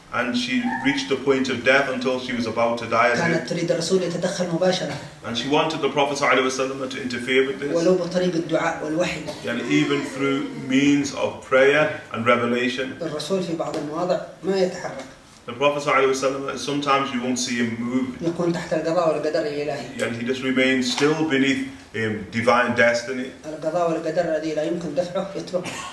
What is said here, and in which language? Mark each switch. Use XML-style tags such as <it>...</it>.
<en>And she reached the point of death until she was about to die.</en> <ar>كانت تريد الرسول يتدخل مباشرة.</ar> <en>And she wanted the Prophet</en> <ar>صلى الله عليه وسلم</ar> <en>to interfere with this.</en> <ar>ولو بطريق الدعاء والوحي. يعني</ar> <en>even through means of prayer and revelation.</en> <ar>الرسول في بعض المواضع ما يتحرك.</ar> <en>The Prophet</en> <ar>صلى الله عليه وسلم,</ar> <en>sometimes you won't see him move.</en> <ar>يكون تحت القضاء والقدر الإلهي.</ar> <en>And he just remains still beneath divine destiny.</en> <ar>القضاء والقدر الذي لا يمكن دفعه يترك.</ar>